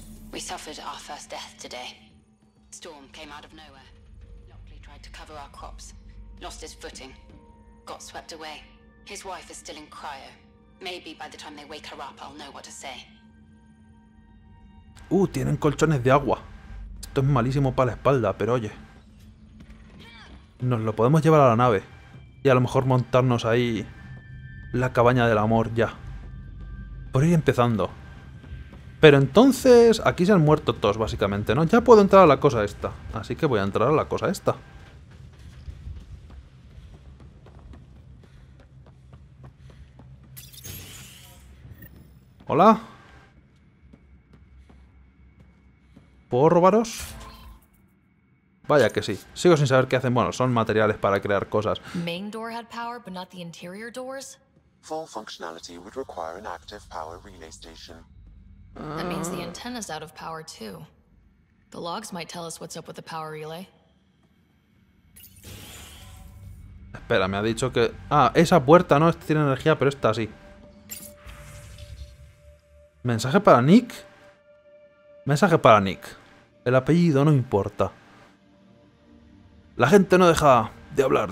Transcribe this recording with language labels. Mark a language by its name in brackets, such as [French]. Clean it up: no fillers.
[English] We suffered our first death today. Storm came out of nowhere. Lockley tried to cover our crops. Lost his footing. Got swept away. His wife is still in cryo. Maybe by the time they wake her up, I'll know what to say. [Spanish] Tienen colchones de agua. Esto es malísimo para la espalda, pero oye. Nos lo podemos llevar a la nave. Y a lo mejor montarnos ahí la cabaña del amor ya. Por ir empezando. Pero entonces, aquí se han muerto todos, básicamente, ¿no? Ya puedo entrar a la cosa esta. Así que voy a entrar a la cosa esta. Hola. ¿Puedo robaros? Vaya que sí. Sigo sin saber qué hacen. Bueno, son materiales para crear cosas. [English] Main door had power, but not the interior doors. Full functionality would require an active power relay station. That means the antenna's out of power too. The logs might tell us what's up with the power relay. [Spanish] Espera, me ha dicho que esa puerta no tiene energía, pero esta sí. Mensaje para Nick. Mensaje para Nick. El apellido no importa. La gente no deja de hablar.